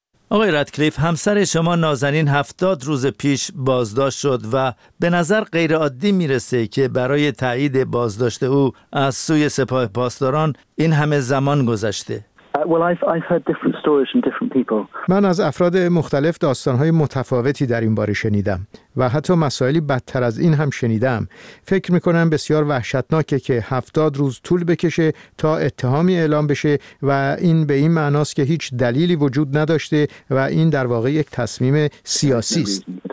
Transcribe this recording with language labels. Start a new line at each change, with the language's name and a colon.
Persian: آقای رادکلیف، همسر شما نازنین 70 روز پیش بازداشت شد و به نظر غیر عادی میرسه که برای تایید بازداشت او از سوی سپاه پاسداران این همه زمان گذشته.
English: Well, I've heard different stories from different people.
Persian: من از افراد مختلف داستان‌های متفاوتی در این باره شنیدم و حتی مسائلی بدتر از این هم شنیدم. فکر می‌کنم بسیار وحشتناکه که 70 روز طول بکشه تا اتهامی اعلام بشه و این به این معناست که هیچ دلیلی وجود نداشته و این در واقع یک تصمیم سیاسی است.